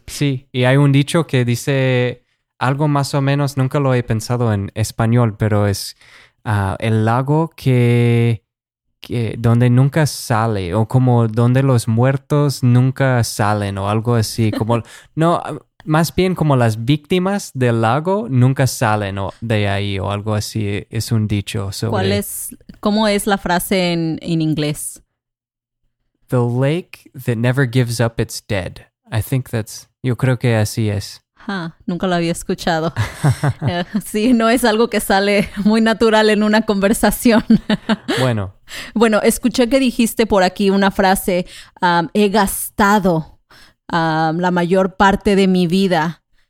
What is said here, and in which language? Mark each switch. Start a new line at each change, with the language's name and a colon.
Spanish: Sí, y hay un dicho que dice algo más o menos, nunca lo he pensado en español, pero es el lago que donde nunca sale, o como donde los muertos nunca salen, o algo así, como no, más bien como las víctimas del lago nunca salen, o de ahí, o algo así, es un dicho. Sobre... ¿Cómo es la frase en inglés?
English: The lake that never gives up, it's dead. I think
Spanish: yo creo que así es. Nunca lo había escuchado. Sí, no es algo que sale muy natural en una conversación. Bueno, escuché que dijiste por aquí una frase, he gastado la mayor parte de mi vida.